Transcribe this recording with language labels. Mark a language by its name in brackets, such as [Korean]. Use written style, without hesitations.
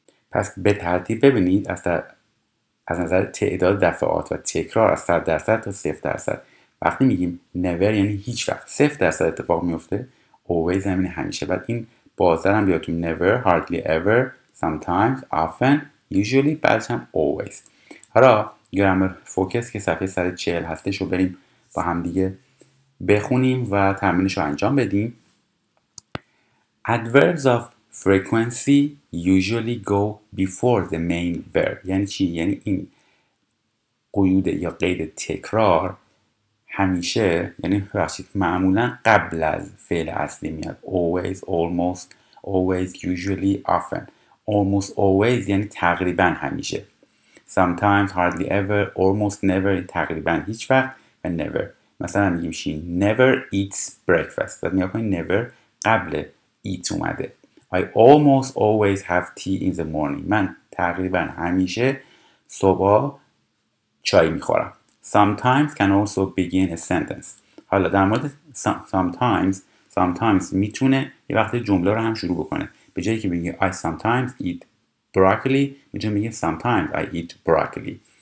[Persian] پس به ترتیب ببینید، از نظر تعداد دفعات و تکرار از 100% تا 0%، وقتی میگیم never یعنی هیچ وقت، 0% اتفاق میفته، always یعنی همیشه. بعد این بازدار هم بیاتون never، hardly ever، sometimes، often، usually، بعدش هم always. حالا گرامر فوکس که صفحه 140 هستش رو بریم با هم دیگه بخونیم و تمرینش رو انجام بدیم. [English] Adverbs of frequency usually go before the main verb. [Persian] یعنی چی؟ یعنی این قیود یا قید تکرار همیشه، یعنی بخشید معمولا قبل از فعل اصلی میاد. [English] Always, almost, always, usually, often. [Persian] Almost always یعنی تقریبا همیشه. [English] Sometimes, hardly ever, almost never [Persian] تقریبا هیچ وقت و [English] never. [Persian] مثلا میگیم [English] she never eats breakfast. [Persian] بعد نگاه کنید never قبل eat اومده. [English] I almost always have tea in the morning. [Persian] من تقریبا همیشه صبح چای میخورم. [English] Sometimes can also begin a sentence. [Persian] حالا در مورد [English] sometimes [Persian] sometimes میتونه یه وقتی جمله رو هم شروع بکنه. به جایی که بگه [English] I sometimes eat broccoli [Persian] میتونه بگه [English] sometimes I eat broccoli.